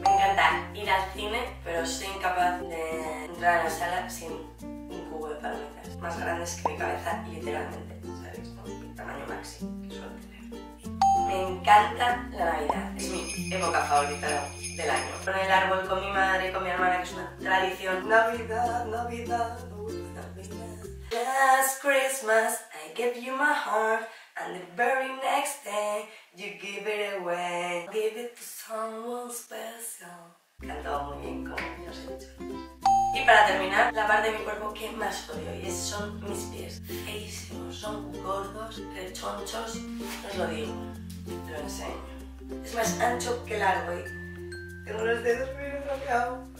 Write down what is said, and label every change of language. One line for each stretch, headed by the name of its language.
Spanish: Me encanta ir al cine, pero soy incapaz de entrar a la sala sin un cubo de palomitas. Más grandes que mi cabeza, literalmente, ¿sabéis? ¿No? El tamaño máximo que suelo tener. Me encanta la Navidad. Es mi época favorita del año. Con el árbol, con mi madre, con mi hermana, que es una tradición. Navidad, Navidad, Navidad.
English: Last Christmas, I gave you my heart. And the very next day, you give it away. Give it to someone special.
Spanish: Canto muy bien, como niños he dicho. Y para terminar, la parte de mi cuerpo que más odio, y esos son mis pies. Feísimos, son gordos, rechonchos. Os lo digo, te lo enseño. Es más ancho que largo y tengo los dedos muy enrojados.